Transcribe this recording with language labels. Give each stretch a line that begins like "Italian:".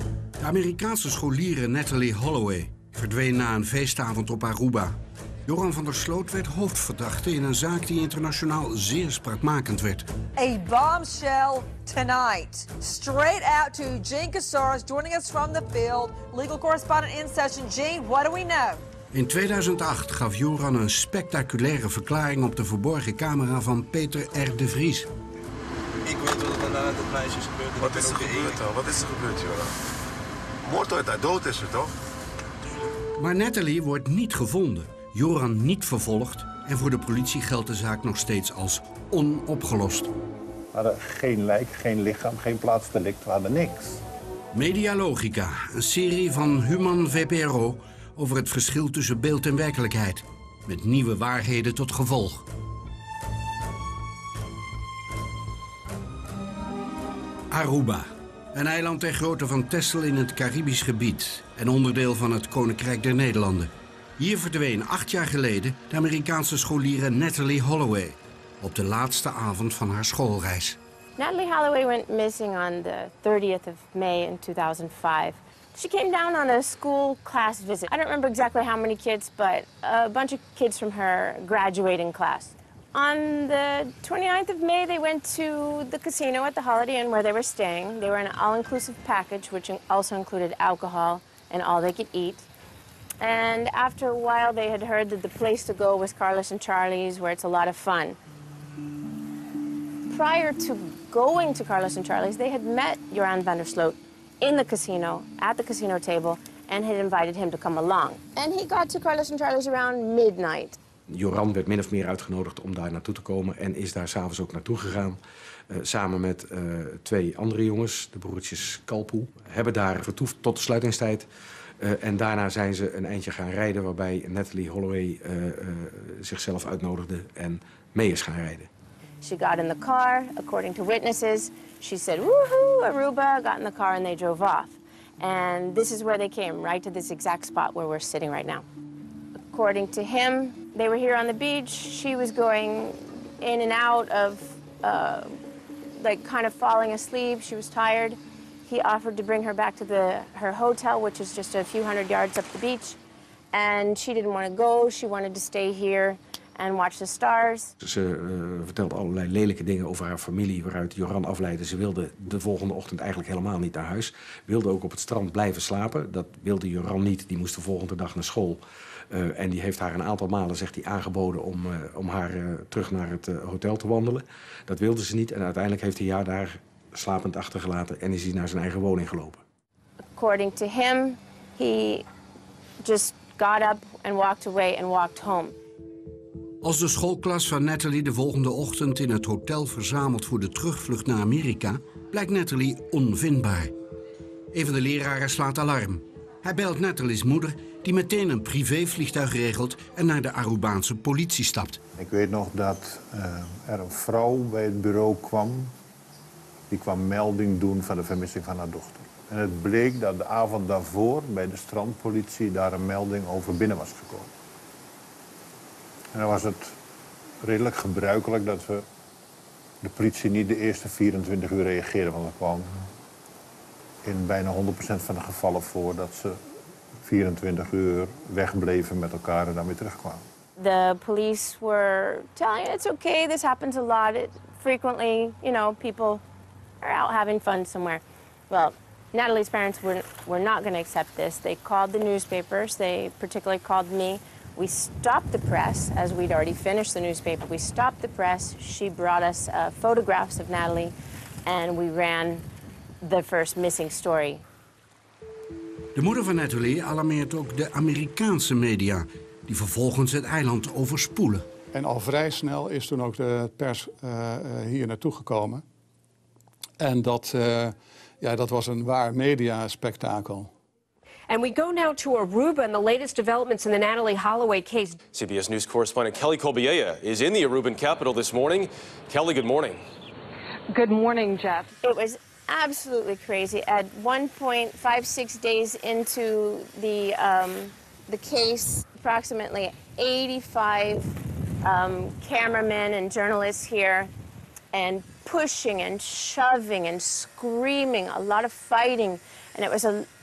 Dutch: De Amerikaanse scholieren Natalie Holloway verdween na een feestavond op Aruba. Joran van der Sloot werd hoofdverdachte in een zaak die internationaal zeer spraakmakend werd.
English: A bombshell tonight. Straight out to Jean Casares, joining us from the field. Legal correspondent in session. Jean, what do we know?
Dutch: In 2008 gaf Joran een spectaculaire verklaring op de verborgen camera van Peter R. de Vries. Ik weet wat er daarna met het meisje is gebeurd. Wat is er gebeurd, toch? Wat is er gebeurd, Joran? Moord uit haar dood is ze, toch? Maar Natalie wordt niet gevonden. Joran niet vervolgd en voor de politie geldt de zaak nog steeds als onopgelost. We hadden geen lijk, geen lichaam, geen plaats delict, we hadden niks. Medialogica, een serie van Human VPRO over het verschil tussen beeld en werkelijkheid. Met nieuwe waarheden tot gevolg. Aruba, een eiland ter grootte van Texel in het Caribisch gebied en onderdeel van het Koninkrijk der Nederlanden. Hier verdween 8 jaar geleden de Amerikaanse scholiere Natalie Holloway op de laatste avond van haar schoolreis.
English: Natalie Holloway went missing on the 30th of May in 2005. She came down on a school class visit. I don't remember exactly how many kids, but a bunch of kids from her graduating class. On the 29th of May, they went to the casino at the Holiday Inn where they were staying. They were in an all-inclusive package, which also included alcohol and all they could eat. And after a while, they had heard that the place to go was Carlos and Charlie's, where it's a lot of fun. Prior to going to Carlos and Charlie's, they had met Joran van der Sloot in the casino, at the casino table, and had invited him to come along. And he got to Carlos and Charlie's around midnight.
Dutch: Joran werd min of meer uitgenodigd om daar naartoe te komen en is daar s'avonds ook naartoe gegaan. Samen met 2 andere jongens, de broertjes Kalpoe, hebben daar vertoefd tot de sluitingstijd. En daarna zijn ze een eindje gaan rijden waarbij Natalie Holloway zichzelf uitnodigde en mee is gaan rijden.
English: She got in the car, according to witnesses. She said, woohoo, Aruba, got in the car and they drove off. And this is where they came, right to this exact spot where we're sitting right now. According to him, they were here on the beach. She was going in and out of, kind of falling asleep. She was tired. He offered to bring her back to her hotel, which is just a few hundred yards up the beach. And she didn't want to go. She wanted to stay here and watch the stars.
Dutch: Ze vertelde allerlei lelijke dingen over haar familie, waaruit Joran afleidde. Ze wilde de volgende ochtend eigenlijk helemaal niet naar huis. Wilde ook op het strand blijven slapen. Dat wilde Joran niet. Die moest de volgende dag naar school. En die heeft haar een aantal malen, zegt hij, aangeboden om haar terug naar het hotel te wandelen. Dat wilde ze niet. En uiteindelijk heeft hij haar daar slapend achtergelaten en is hij naar zijn eigen woning gelopen.
English: According to him, he just got up and walked away and walked home.
Dutch: Als de schoolklas van Natalie de volgende ochtend in het hotel verzamelt voor de terugvlucht naar Amerika, blijkt Natalie onvindbaar. Een van de leraren slaat alarm. Hij belt Natalie's moeder, die meteen een privévliegtuig regelt en naar de Arubaanse politie stapt. Ik weet nog dat er een vrouw bij het bureau kwam. Die kwam melding doen van de vermissing van haar dochter. En het bleek dat de avond daarvoor bij de strandpolitie daar een melding over binnen was gekomen. En dan was het redelijk gebruikelijk dat we de politie niet de eerste 24 uur reageerde. Want het kwam in bijna 100% van de gevallen voor dat ze 24 uur wegbleven met elkaar en dan weer terugkwamen.
English: The police were telling you it's okay, this happens a lot. It frequently, you know, people are out having fun somewhere. Well, Natalie's parents were not going to accept this. They called the newspapers. They particularly called me. We stopped the press as we'd already finished the newspaper. We stopped the press. She brought us photographs of Natalie, and we ran the first missing story.
Dutch: De moeder van Natalie alarmeert ook de Amerikaanse media, die vervolgens het eiland overspoelen. En al vrij snel is toen ook de pers hier naartoe gekomen. En dat, dat was een waar mediaspectakel.
English: And we go now to Aruba and the latest developments in the Natalie Holloway case. CBS News correspondent Kelly Kobiea is in the Aruban capital this morning. Kelly, good morning. Good morning, Jeff. It was absolutely crazy. At 1.56 days into the case, approximately 85 cameramen and journalists here and pushing and shoving and screaming, a lot of fighting. And it was a